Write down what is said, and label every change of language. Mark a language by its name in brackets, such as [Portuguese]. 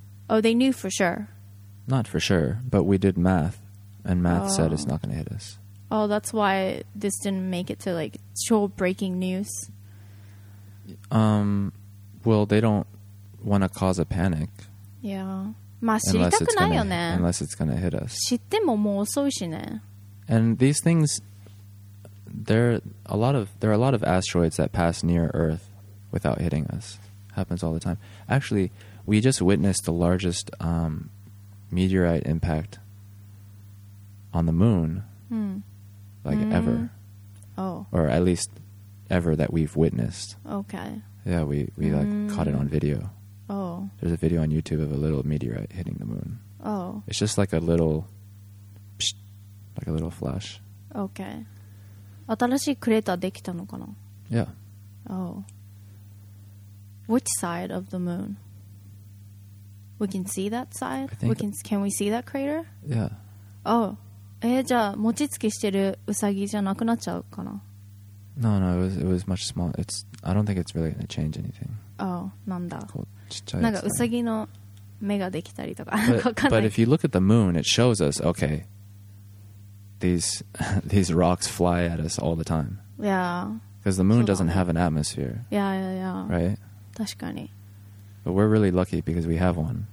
[English] Oh, they knew for sure. Not for sure, but we did math, and math said it's not going to hit us. Oh, that's why this didn't make it to, like, show breaking news. Well, they don't want to cause a panic. Yeah. [Japanese] まあ知りたくないよね。 [English] Unless it's gonna hit us. [Japanese] 知ってももう遅いしね。 [English] And these things, there are a lot of asteroids that pass near Earth without hitting us. Happens all the time. Actually, we just witnessed the largest meteorite impact on the moon, like ever. Oh. Or at least ever that we've witnessed. Okay. Yeah, we like caught it on video. Oh. There's a video on YouTube of a little meteorite hitting the moon. Oh. It's just like a little, psh, like a little flash. Okay. [Japanese] 新しいクレーターできたのかな? [English] Yeah. Oh. Which side of the moon? We can see that side? Can we see that crater? Yeah. Oh. [Japanese] じゃあ餅つきしてるウサギじゃなくなっちゃうかな? [English] No, it was much smaller. I don't think it's really going to change anything. [Japanese] Oh, なんだ。こうちっちゃい。なんかウサギの目ができたりとか。 [English] But if you look at the moon, it shows us, okay, these rocks fly at us all the time. Yeah. Because the moon doesn't have an atmosphere. Yeah, yeah, yeah. Right? [Japanese] 確かに。 [English] But we're really lucky because we have one.